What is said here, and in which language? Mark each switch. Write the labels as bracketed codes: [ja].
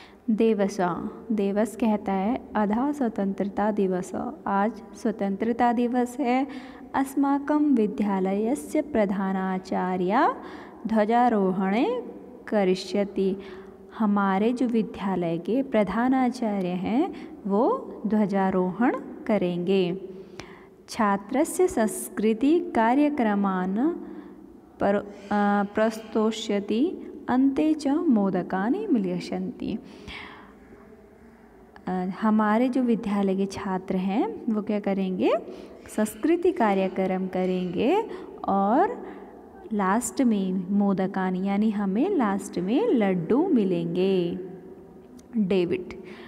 [hi] देवस कहता है [sa] अधा स्वतंत्रता दिवस, [hi] आज स्वतंत्रता दिवस है। [sa] अस्माकं विद्यालयस्य प्रधानाचार्या ध्वजारोहणे करिष्यति। [hi] हमारे जो विद्यालय के प्रधानाचार्य हैं वो ध्वजारोहण करेंगे। [sa] छात्रस्य संस्कृति कार्यक्रमान प्रस्तोष्यति, अन्ते च मोदकानि मिलिष्यन्ति। [hi] हमारे जो विद्यालय के छात्र हैं वो क्या करेंगे, संस्कृति कार्यक्रम करेंगे और लास्ट में मोदकानी यानी हमें लास्ट में लड्डू मिलेंगे।